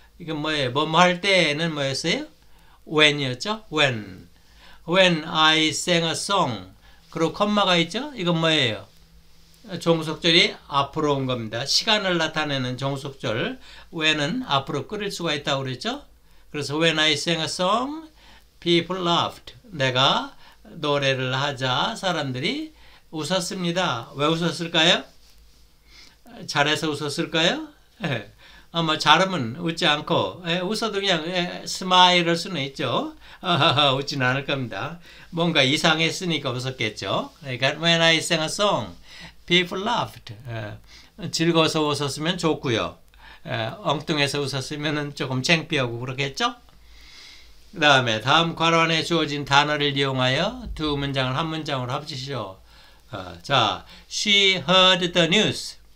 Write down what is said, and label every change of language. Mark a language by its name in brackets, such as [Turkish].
[Korean] 이건 뭐예요? 뭐뭐 할 때는 뭐였어요? When이었죠? When. [English] When I sang a song. [Korean] 그리고 콤마가 있죠? 이건 뭐예요? 종속절이 앞으로 온 겁니다. 시간을 나타내는 종속절. When은 앞으로 끌을 수가 있다고 그랬죠? 그래서 [English] When I sang a song, people laughed. [Korean] 내가 노래를 하자 사람들이 웃었습니다. 왜 웃었을까요? 잘해서 웃었을까요? 네. 아마 잘하면 웃지 않고 웃어도 그냥 스마일할 수는 있죠. 웃진 않을 겁니다. 뭔가 이상했으니까 웃었겠죠. 그러니까 [English] When I sang a song, people laughed. [Korean] 즐거워서 웃었으면 좋고요. 엉뚱해서 웃었으면 조금 창피하고 그렇겠죠? 그 다음에 다음 괄호 안에 주어진 단어를 이용하여 두 문장을 한 문장으로 합치시죠. [English] 자, she heard the news.